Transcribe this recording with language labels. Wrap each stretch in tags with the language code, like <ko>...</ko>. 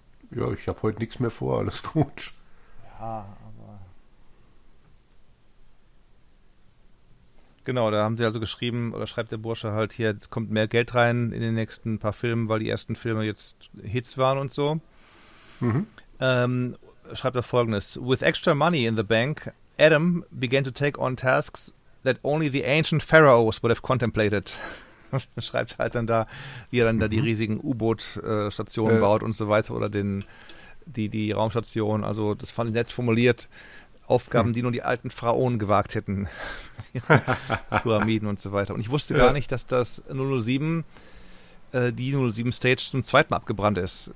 <de>Ja, ich habe heute nichts mehr vor, alles gut. Ja, aber... Genau, da haben sie also geschrieben, oder schreibt der Bursche halt hier, es kommt mehr Geld rein in den nächsten paar Filmen, weil die ersten Filme jetzt Hits waren und so. Schreibt er folgendes.</de> <en>With extra money in the bank, Adam began to take on tasks that only the ancient pharaohs would have contemplated.</en> <de>Schreibt halt dann da, wie er dann da die riesigen U-Boot-Stationen baut und so weiter oder die Raumstation. Also das fand ich nett formuliert. Aufgaben, die nur die alten Pharaonen gewagt hätten. Pyramiden und so weiter. Und ich wusste gar nicht, dass das 007, die 007-Stage zum zweiten Mal abgebrannt ist.</de>